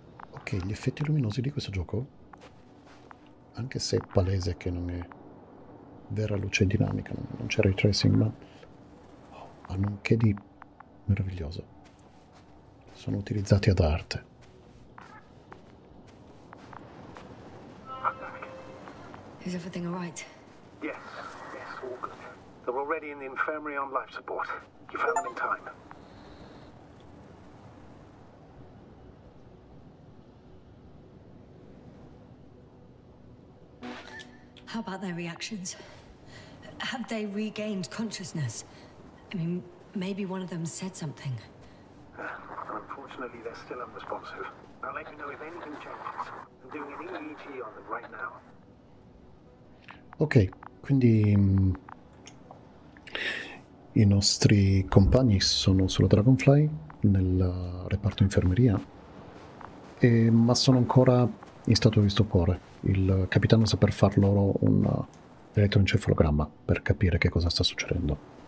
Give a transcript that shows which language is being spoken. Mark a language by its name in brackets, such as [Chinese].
[Italian] Ok, gli effetti luminosi di questo gioco, anche se è palese che non è vera luce dinamica, non c'è ray tracing, ma hanno un che di meraviglioso. Sono utilizzati ad arte. [English] Is everything all right? Yes, yes, all good. They're already in the infirmary on life support. You found them in time. How about their reactions? Have they regained consciousness? I mean, maybe one of them said something. Unfortunately, they're still unresponsive. I'll let you know if anything changes. I'm doing an EEG on them right now. [Italian] Ok, quindi i nostri compagni sono sulla Dragonfly, nel reparto infermeria, ma sono ancora in stato di stupore. Il capitano sa per far loro un elettroencefalogramma per capire che cosa sta succedendo.